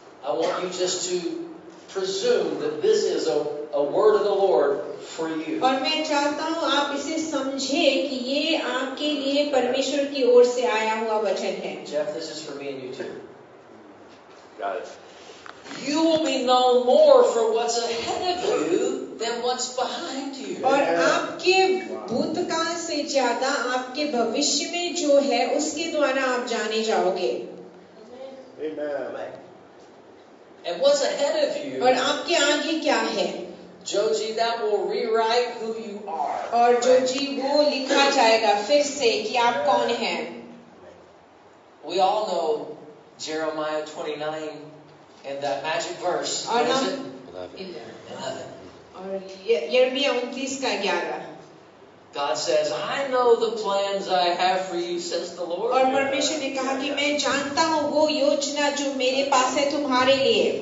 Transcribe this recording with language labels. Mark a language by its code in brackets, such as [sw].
[en] I want you just to presume that this is a word of the Lord for you. [hi] और मैं चाहता हूँ आप इसे समझे कि ये आपके लिए परमेश्वर की ओर से आया हुआ वचन है. [en] Jeff, this is for me and you too. Got it. You will be known more for what's ahead of you than what's behind you. [hi] और आपके भूतकाल से ज्यादा आपके भविष्य में जो है उसके द्वारा आप जाने जाओगे. [en] And what's ahead of you? [hi] और आपके आगे क्या है? [en] Joji, that will rewrite who you are. [hi] और Joji, वो लिखा जाएगा फिर से कि आप कौन हैं. [en] We all know Jeremiah 29 and that magic verse. [hi] और हम 11. और यर्मिया 29 का 11. [en] God says, I know the plans I have for you, says the Lord. [hi] और परमेश्वर ने कहा कि मैं जानता हूँ वो योजना जो मेरे पास है तुम्हारे लिए.